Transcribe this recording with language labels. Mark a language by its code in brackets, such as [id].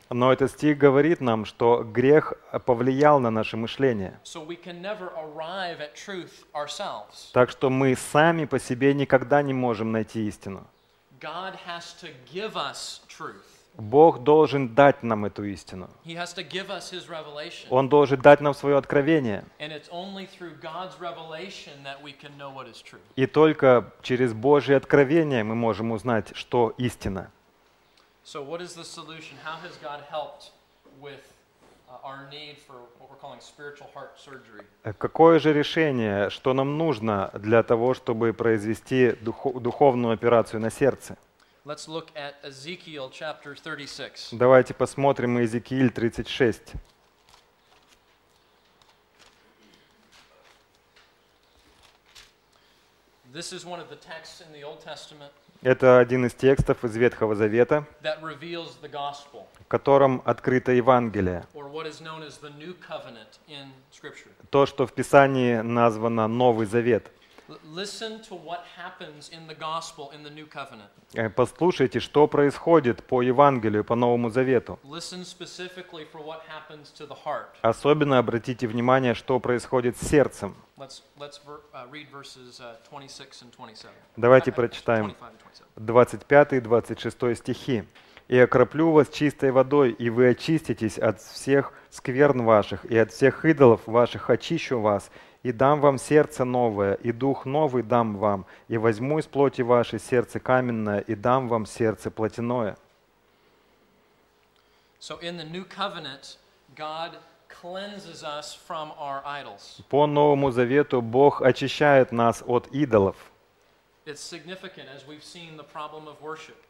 [ru] Но этот стих говорит нам, что грех повлиял на наше мышление. [en] So we can never arrive at truth ourselves. [ru] Так что мы сами по себе никогда не можем найти истину. [en] God has to give us truth. [ru] Бог должен дать нам эту истину. [en] He has to give us his revelation. [ru] Он должен дать нам свое откровение. [en] And it's only through God's revelation that we can know what is true. [ru] И только через Божье откровение мы можем узнать, что истина. [en] So what is the solution? How has God helped with our need for what we're calling spiritual heart surgery? [ru] Какое же решение, что нам нужно для того, чтобы произвести духовную операцию на сердце? [en] Let's look at Ezekiel chapter 36. [ru] Давайте посмотрим Иезекииль 36. [en] This is one of the texts in the Old Testament. [ru] Это один из текстов из Ветхого Завета, [en] that reveals the gospel, [ru] в котором открыто Евангелие. [en] Or what is known as the New Covenant in Scripture. [ru] То, что в Писании названо Новый Завет. [en] Listen to what happens in the gospel in the new covenant. [ru] Послушайте, что происходит по Евангелию, по Новому Завету. [en] Listen specifically for what happens to the heart. [ru] Особенно обратите внимание, что происходит с сердцем. [en] Let's read verses 26 and 27. [ru] Давайте прочитаем 25 и 26 стихи. «И окроплю вас чистой водой, и вы очиститесь от всех скверн ваших, и от всех идолов ваших очищу вас, и дам вам сердце новое, и дух новый дам вам, и возьму из плоти вашей сердце каменное, и дам вам сердце плотяное». [en] So in the new covenant, God cleanses us from our idols. [ru] По Новому Завету Бог очищает нас от идолов. [en] It's significant, as we've seen the problem of worship.